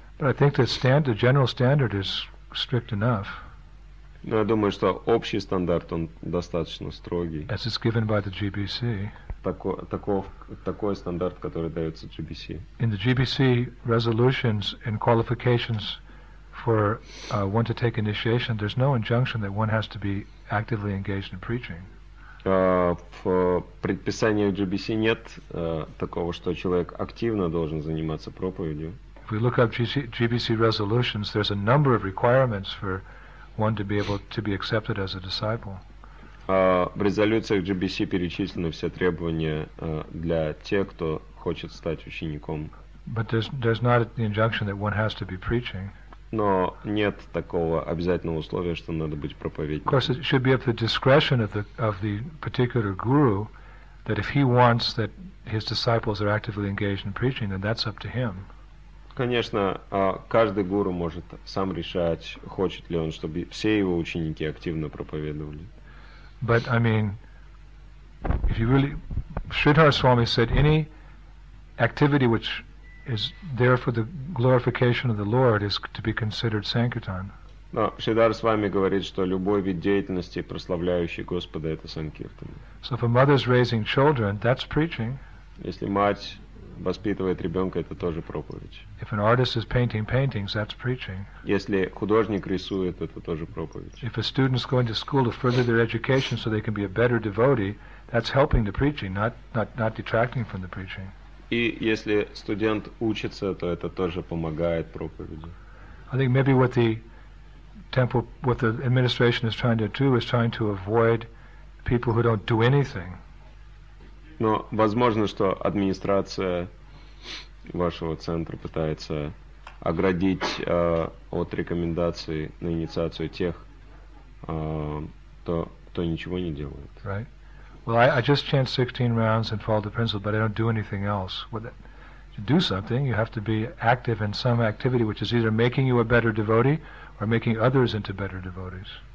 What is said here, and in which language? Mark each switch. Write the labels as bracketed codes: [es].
[en] But I think the general standard is strict enough. [ru] Но я думаю, что общий стандарт, он достаточно строгий. [en] As it's given by the GBC. [ru] Такой стандарт, который дается GBC. [en] In the GBC resolutions and qualifications for one to take initiation, there's no injunction that one has to be actively engaged in preaching. [ru] В предписании GBC нет такого, что человек активно должен заниматься проповедью. [en] If we look up GBC resolutions, there's a number of requirements for one to be able to be accepted as a disciple. [ru] В резолюциях GBC перечислены все требования для тех, кто хочет стать учеником. [en] But there's not the injunction that one has to be preaching. [ru] Но нет такого обязательного условия, что надо быть проповедником. [en] Of course, it should be at the discretion of the particular guru that if he wants that his disciples are actively engaged in preaching, then that's up to him. [ru] Конечно, каждый гуру может сам решать, хочет ли он, чтобы все его ученики активно проповедовали. [en] But I mean, if you really, Sridhar Swami said any activity which is there for the glorification of the Lord is to be considered sankirtan. [ru] Но Шридхар Свами говорит, что любой вид деятельности, прославляющий Господа, это санкиртан. [en] So if a mother is raising children, that's preaching. [ru] Если мать воспитывает ребенка, это тоже проповедь. [en] If an artist is painting paintings, that's preaching. [ru] Если художник рисует, это тоже проповедь. [en] If a student is going to school to further their education so they can be a better devotee, that's helping the preaching, not detracting from the preaching. [ru] И если студент учится, то это тоже помогает проповеди. [en] I think maybe what the temple, what the administration is trying to do is trying to avoid people who don't do anything. [ru] Но возможно, что администрация вашего центра пытается оградить от рекомендаций на инициацию тех, кто ничего не делает. [en] Right. Well, I just chant 16 rounds and follow the principle, but I don't do anything else. Well, do something, you have to be active in some activity which is either making you a better devotee or making others into better devotees.